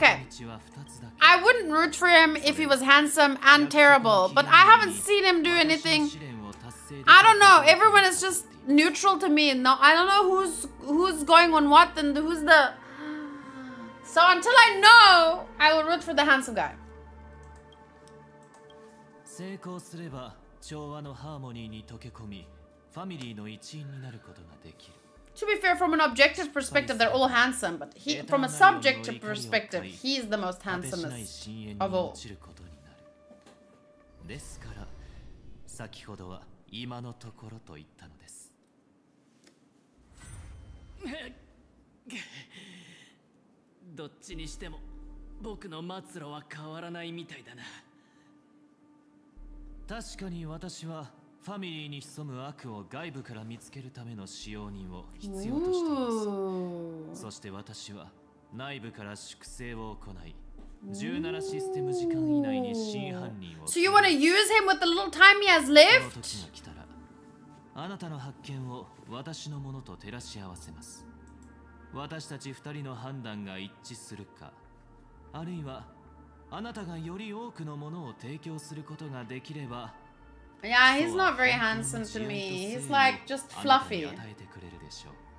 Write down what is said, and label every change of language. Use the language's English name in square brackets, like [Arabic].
[English] Okay, I wouldn't root for him if he was handsome and terrible, but I haven't seen him do anything. I don't know, everyone is just neutral to me. No, I don't know who's going on what and who's the... So until I know, I will root for the handsome guy. [Japanese] 成功すれば調和のハーモニーに溶け込み、ファミリーの一員になることができる。 [English] To be fair, from an objective perspective, they're all handsome, but he, from a subjective perspective, he's the most handsomest of all. [Japanese] ですから、先ほどは今のところと言ったのです。どっちにしても僕の末路は変わらないみたいだな。確かに私はファミリーに潜む悪を外部から見つけるための使用人を必要としています。そして私は内部から粛清を行い、17システム時間以内に真犯人を。 [English] So you want to use him with the little time he has left? [Japanese] その時が来たら、あなたの発見を私のものと照らし合わせます。私たち二人の判断が一致するか、あるいはあなたがより多くのものを提供することができれば。 [English] Yeah, he's not very handsome to me. He's like just fluffy. [Japanese] あなたに与えてくれるでしょう。